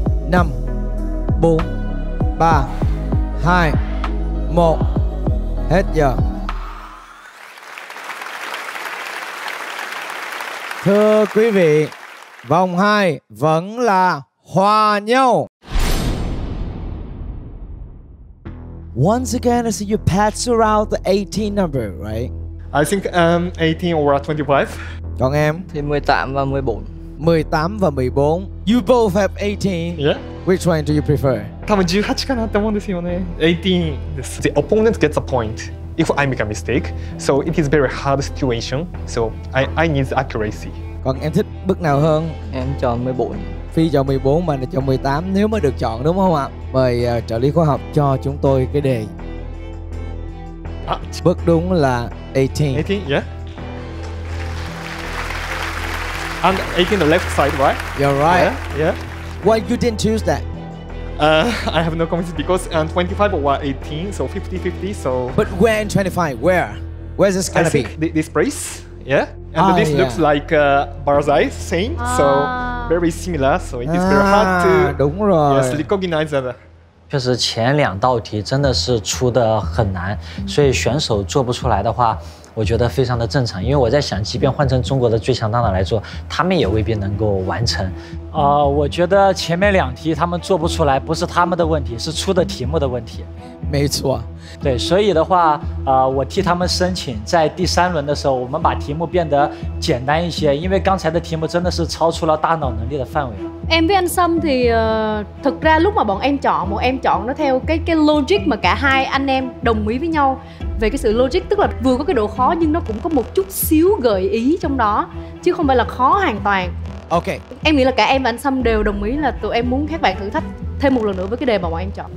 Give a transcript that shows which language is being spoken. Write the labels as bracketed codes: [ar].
[vi] Năm, bốn, ba, hai, một, hết giờ. Thưa quý vị, vòng 2 vẫn là hòa nhau. [en] Once again, I see you pencil out the 18 number, right? I think 18 or 25. [vi] Còn em? Thì 18 và 14. 18 và 14. [en] You both have 18. Yeah. Which one do you prefer? [ja] 多分18かなって思うんですよね。 18 です。 [en] The opponent gets a point if I make a mistake. So it is a very hard situation. So I need the accuracy. [vi] Còn em thích bức nào hơn? Em chọn 14. Phi chọn 14, mà là chọn 18 nếu mà được chọn, đúng không ạ? Mời trợ lý khoa học cho chúng tôi cái đề. À, bức đúng là 18. [en] 18, yeah. And 18 the left side, right? You're right. Yeah, yeah. Why you didn't choose that? I have no confidence because 25 or 18, so 50-50, so... But when 25? Where? Where's this gonna be? This place, yeah? And this looks like bar's eyes, same, so very similar, so it is very hard to recognize that. [zh] 确实前两道题真的是出的很难，所以选手做不出来的话，我觉得非常的正常，因为我在想，即便换成中国的最强大脑来做，他们也未必能够完成。我觉得前面两题他们做不出来，不是他们的问题，是出的题目的问题。没错，对，所以的话，我替他们申请，在第三轮的时候，我们把题目变得简单一些，因为刚才的题目真的是超出了大脑能力的范围。 [vi] Em với anh Sâm thì thực ra lúc mà bọn em chọn nó theo cái logic mà cả hai anh em đồng ý với nhau về cái sự logic, tức là vừa có cái độ khó nhưng nó cũng có một chút xíu gợi ý trong đó, chứ không phải là khó hoàn toàn. [en] Ok. [vi] Em nghĩ là cả em và anh Sâm đều đồng ý là tụi em muốn các bạn thử thách thêm một lần nữa với cái đề mà bọn em chọn.